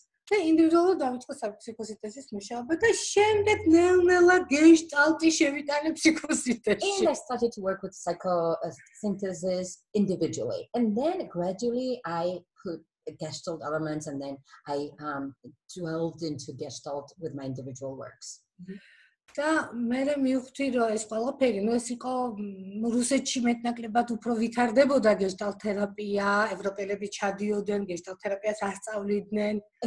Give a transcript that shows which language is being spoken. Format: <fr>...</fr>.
<ka>და ინდივიდუალურად დავიწყე ფსიქოსინთეზის მუშაობა და შემდეგ ნელ-ნელა Gestalt-ი შევიტანე ფსიქოსინთეზში.</ka> <en>And I started to work with psychosynthesis individually. And then gradually I put Gestalt elements, and then I dwelled into Gestalt with my individual works.</en> <ka>Да, мере ми ухти ро ეს ყველაფერი, ну ეს იყო რუსეთში მეტნაკლებად უფრო ვითარდებოდა Gestalt თერაპია, ევროპელები ჩადიოდნენ Gestalt თერაპიას ასწავლიდნენ.</ka>